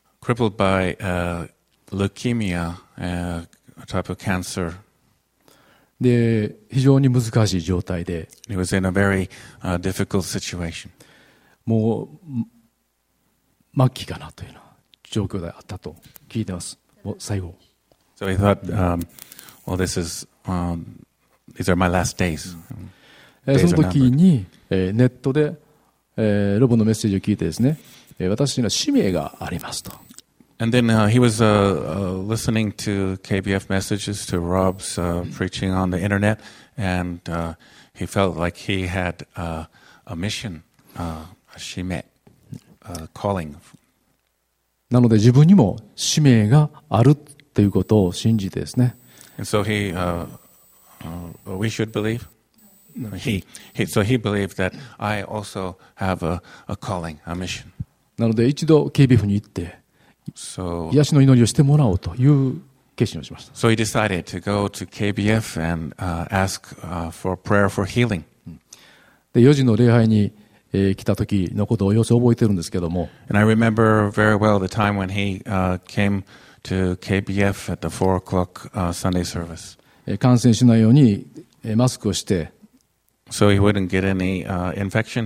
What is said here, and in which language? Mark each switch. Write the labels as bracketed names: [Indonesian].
[English] crippled by leukemia, a type of cancer. [Japanese] で、非常に難しい状態で。 [English] He was in a very difficult situation. [Japanese] もう末期かなというような状況であったと聞いてます。もう最後。 [English] So he thought, well, this is, these are my last days. [Japanese] その時にネットでロボのメッセージを聞いてですね、私には使命がありますと。 [English] And then he was listening to KBF messages to Rob's preaching on the internet, and he felt like he had a mission, a 使命, a calling. [Japanese] なので自分にも使命があるということを信じてですね。 [English] And so he, we should believe. He believed that I also have a calling, a mission. [Japanese] なので一度 KBF に行って。 [English] So, [Japanese] 癒しの祈りをしてもらおうという決心をしました。 [English] So he decided to go to KBF and ask for prayer for healing. [Japanese] で、4時の礼拝に来た時のことをよく覚えてるんですけども。 [English] And I remember very well the time when he came to KBF at the 4 o'clock Sunday service. [Japanese] 感染しないようにマスクをして。 [English] So he wouldn't get any infection.